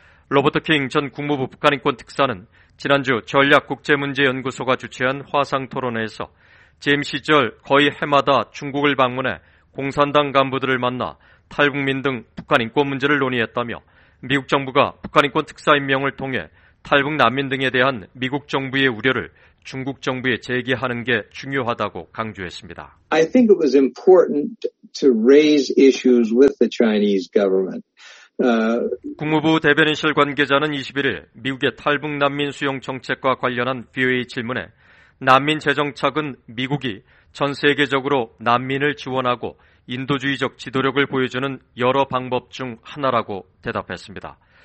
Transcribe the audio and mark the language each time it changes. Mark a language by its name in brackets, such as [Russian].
[Korean] 로버트 킹 전 국무부 북한인권 특사는 지난주 전략국제문제연구소가 주최한 화상토론회에서 재임 시절 거의 해마다 중국을 방문해 공산당 간부들을 만나 탈북민 등 북한인권 문제를 논의했다며 미국 정부가 북한인권 특사 임명을 통해 탈북 난민 등에 대한 미국 정부의 우려를 중국 정부에 제기하는 게 중요하다고 강조했습니다. [English] I think it was important to raise issues with the Chinese government. [Korean] 국무부 대변인실 관계자는 21일 미국의 탈북 난민 수용 정책과 관련한 BOA 질문에 난민 재정착은 미국이 전 세계적으로 난민을 지원하고 인도주의적 지도력을 보여주는 여러 방법 중 하나라고 대답했습니다.